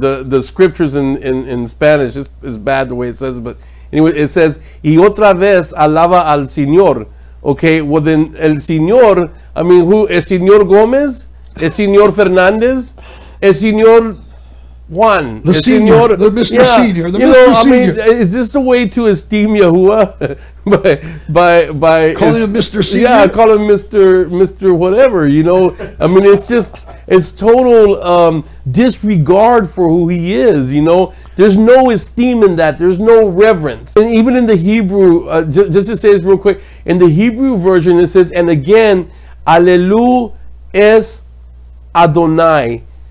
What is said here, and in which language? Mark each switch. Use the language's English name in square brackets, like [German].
[English] The scriptures in Spanish is bad the way it says it, but anyway, it says [Spanish] y otra vez alaba al Señor. [English] Okay, well then, [Spanish] el señor, I mean, who, el señor Gomez, el señor Fernandez, el señor Juan. [English] The senior, senior. I mean, is this a way to esteem Yahuah? Him Mr. Senior? Yeah, call him Mr. Whatever, you know? I mean, it's total disregard for who he is, you know? There's no esteem in that. There's no reverence. And even in the Hebrew, just to say this real quick, in the Hebrew version, it says, and again, Alelu es Adonai.